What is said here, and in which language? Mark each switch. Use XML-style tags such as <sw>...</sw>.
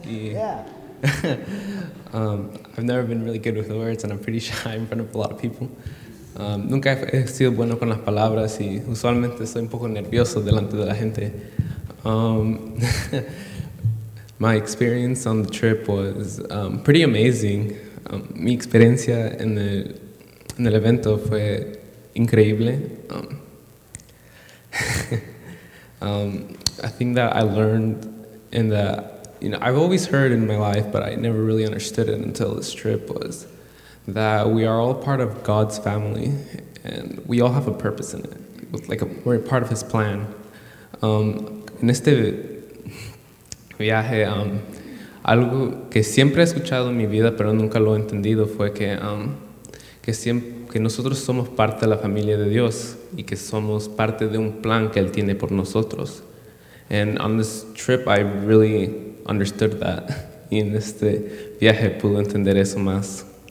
<en>I've never been really good with words and I'm pretty shy in front of a lot of people.</en> <es>Nunca he sido bueno con las palabras y usualmente soy un poco nervioso delante de la gente.</es> <en>My experience on the trip was pretty amazing.</en> <es>Mi experiencia en el evento fue increíble.</es> <en>I think that I learned and that, you know, I've always heard in my life, but I never really understood it until this trip was that we are all part of God's family, and we all have a purpose in it. We're part of His plan.</en> <es>En este viaje, algo que siempre he escuchado en mi vida, pero nunca lo he entendido, fue que que siempre, que nosotros somos parte de la familia de Dios y que somos parte de un plan que él tiene por nosotros.</es> <en>And on this trip, I really understood that.</en> <es>Y en este viaje pude entender eso más.</es>